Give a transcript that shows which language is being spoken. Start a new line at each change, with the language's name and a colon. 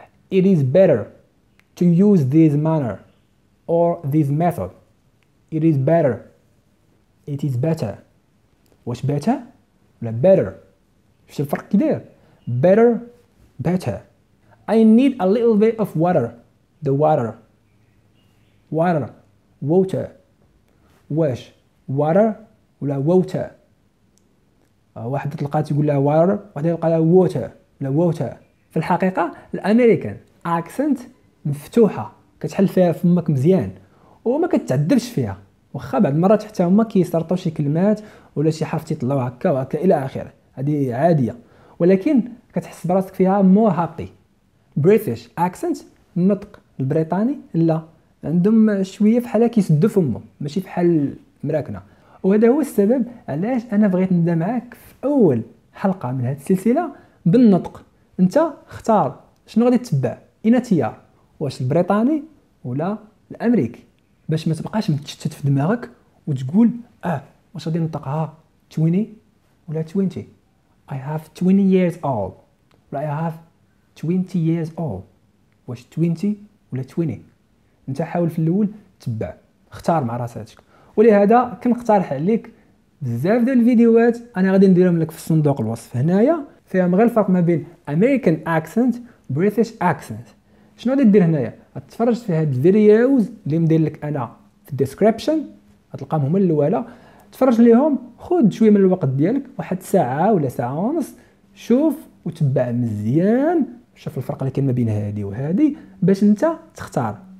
English: It is better to use this manner or this method. It is better. It is better.
Arabic: واش better ولا better؟ شفت الفرق كبير؟
English: Better, better. I need a little bit of water. The water. Water. Water.
Arabic: واش water ولا water. واحد تلقى تقول لها water واحد تلقى لها water ولا water. في الحقيقة الأمريكان accent مفتوحة كتحل فيها فمك مزيان وما كتعذبش فيها، وخا بعض المرات حتى هما كيسرطوا شي كلمات ولا شي حرف تيطلعوا هكا وهكا الى اخره، هذه عاديه، ولكن كتحس براسك فيها
English: More happy.
Arabic: بريتيش اكسنت النطق البريطاني لا، عندهم شويه فحال كيسدوا فمهم ماشي فحال مراكنا. وهذا هو السبب علاش انا بغيت نبدا معاك في اول حلقه من هذه السلسله بالنطق. انت اختار شنو غادي تتبع، اين تيار، واش البريطاني ولا الامريكي، باش ما تبقاش متشتت في دماغك وتقول واش غادي نطقها 20 ولا 20.
English: I have 20 years old
Arabic: ولا
English: I have 20 years old.
Arabic: واش 20 ولا 20. انت حاول في الاول تبع اختار مع راساتك. ولهذا كنقترح عليك بزاف ديال الفيديوهات انا غادي نديرهم لك في صندوق الوصف هنايا، فيهم غير الفرق ما بين
English: American accent British accent.
Arabic: شنو غادي دير هنايا؟ تتفرج في هاد الفيديوز اللي مدير لك انا في الديسكريبشن، غتلقاهم هما الاولى، تفرج ليهم، خذ شويه من الوقت ديالك واحد ساعه ولا ساعه ونص، شوف وتبع مزيان، شوف الفرق اللي كاين ما بين هادي وهادي باش انت تختار.